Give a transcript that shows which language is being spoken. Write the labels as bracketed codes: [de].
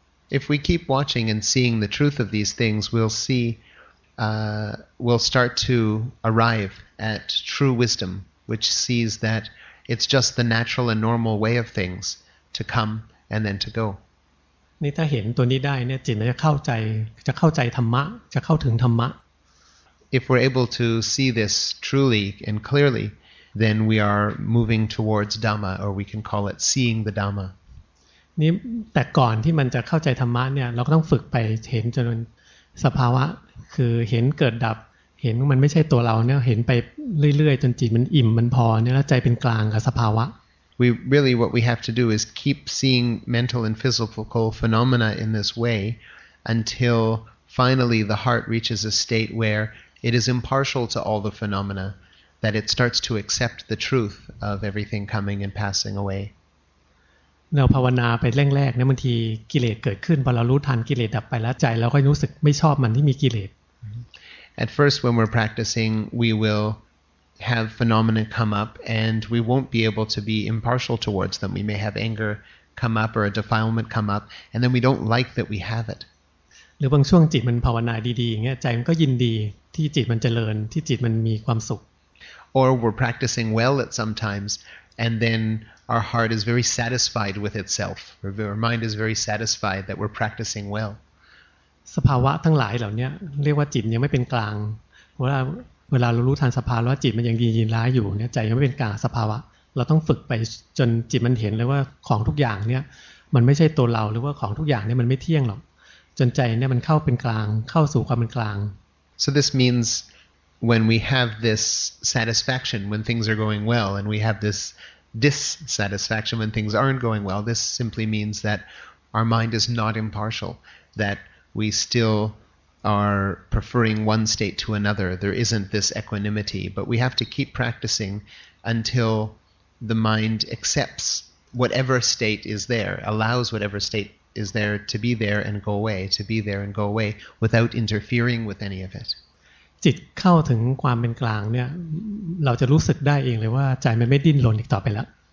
[en] If we keep watching and seeing the truth of these things, we'll see, we'll start to arrive at true wisdom, which sees that. It's just the natural and normal way of things to come and then to go. [th] นี่ถ้าเห็นตัวนี้ได้เนี่ยจิตจะเข้าใจจะเข้าใจธรรมะจะเข้าถึงธรรมะ [en] If we're able to see this truly and clearly, then we are moving towards Dhamma, or we can call it seeing the Dhamma. [th] นี่แต่ก่อนที่มันจะเข้าใจธรรมะเนี่ยเราก็ต้องฝึกไปเห็นจนสภาวะคือเห็นเกิดดับเห็นว่ามันไม่ใช่ตัวเราเนี่ยเห็นไปเรื่อยๆจนจิตมันอิ่มมันพอเนี่ยแล้วใจเป็นกลางกับสภาวะ [en] We really what we have to do is keep seeing mental and physical phenomena in this way until finally the heart reaches a state where it is impartial to all the phenomena that it starts to accept the truth of everything coming and passing away [th] เราภาวนาไปแรกๆเนี่ยบางทีกิเลสเกิดขึ้นพอเรารู้ทันกิเลสดับไปแล้วใจเราก็รู้สึกไม่ชอบมันที่มีกิเลส [en] At first, when we're practicing, we will have phenomena come up and we won't be able to be impartial towards them. We may have anger come up or a defilement come up, and then we don't like that we have it. [th] หรือบางช่วงจิตมันภาวนาดีๆอย่างเงี้ยใจมันก็ยินดีที่จิตมันเจริญที่จิตมันมีความสุข [en] Or we're practicing well at sometimes and then our heart is very satisfied with itself our mind is very satisfied that we're practicing well [th] สภาวะทั้งหลายเหล่านี้เรียกว่าจิตยังไม่เป็นกลางเวลาเรารู้ทันสภาวะจิตมันยังยินดีร้ายอยู่เนี่ยใจยังไม่เป็นกลางสภาวะเราต้องฝึกไปจนจิตมันเห็นเลยว่าของทุกอย่างเนี่ยมันไม่ใช่ตัวเราหรือว่าของทุกอย่างเนี่ยมันไม่เที่ยงหรอกจนใจเนี่ยมันเข้าเป็นกลางเข้าสู่ความเป็นกลาง [en] So this means when we have this satisfaction when things are going well and we have this dissatisfaction when things aren't going well this simply means that our mind is not impartial that we still are preferring one state to another there isn't this equanimity but we have to keep practicing until the mind accepts whatever state is there allows whatever stateis there to be there and go away to be there and go away without interfering with any of it [th] จิตเข้าถึงความเป็นกลางเนี่ยเราจะรู้สึกได้เองเลยว่าใจมันไม่ดิ้นรนอีกต่อไปแล้ว